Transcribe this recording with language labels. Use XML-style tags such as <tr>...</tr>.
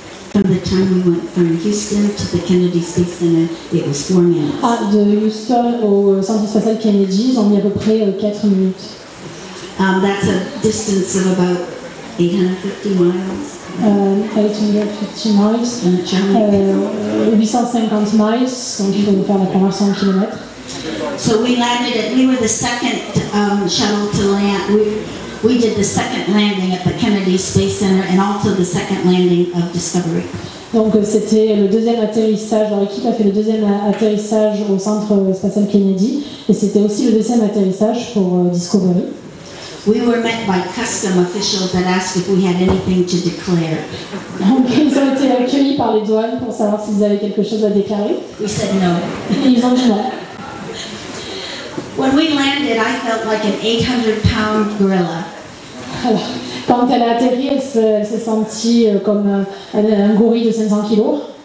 <en>From the time we went from Houston to the Kennedy Space Center, it was 4 minutes.</en> <fr>Ah, de Houston au centre spatial Kennedy, ils ont mis à peu près 4 minutes.</fr> <en>That's a distance of about 850 miles. 850 miles.</en> <fr>Donc il faut faire la conversion en kilomètres.</fr> <en>So we landed. We were the second shuttle to land. We did the second landing at the Kennedy Space Center and also the second landing of Discovery.</en> <fr>Donc c'était le deuxième atterrissage. Leur équipe a fait le deuxième atterrissage au centre spatial Kennedy et c'était aussi le deuxième atterrissage pour Discovery.</fr> <en>We were met by customs officials that asked if we had anything to declare.</en> <fr>Donc ils ont été accueillis par les douanes pour savoir s'ils avaient quelque chose à déclarer.</fr> <en>We said no.</en> <fr>Ils ont dit non.</fr> <en>When we landed, I felt like an 800-pound gorilla.</en> <fr>Alors, quand elle a atterri, elle s'est sentie comme un gorille de 500 kilos.</fr>